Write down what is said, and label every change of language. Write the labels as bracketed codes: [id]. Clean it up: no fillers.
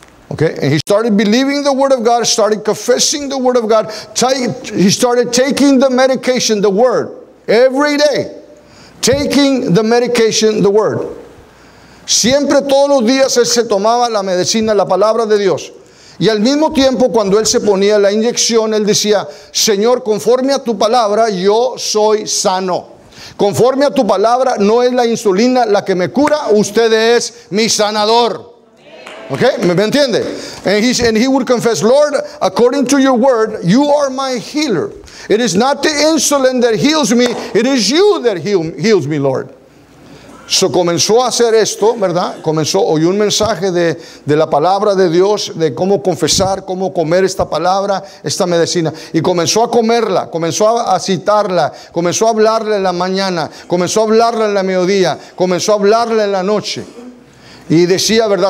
[en] Okay, and he started believing the word of God, started confessing the word of God. He started taking the medication, the word, every day. Taking the medication, the word. [es] Siempre, todos los días, él se tomaba la medicina, la palabra de Dios. Y al mismo tiempo, cuando él se ponía la inyección, él decía, Señor, conforme a tu palabra, yo soy sano. Conforme a tu palabra, no es la insulina la que me cura, usted es mi sanador. Okay, ¿me entiende? [en] And he would confess, Lord, according to your word, you are my healer. It is not the insulin that heals me, it is you that heals me, Lord. [es] So comenzó a hacer esto, ¿verdad? Comenzó, oyó un mensaje de la palabra de Dios, de cómo confesar, cómo comer esta palabra, esta medicina. Y comenzó a comerla, comenzó a citarla, comenzó a hablarla en la mañana, comenzó a hablarla en la mediodía, comenzó a hablarla en la noche. Y decía, ¿verdad?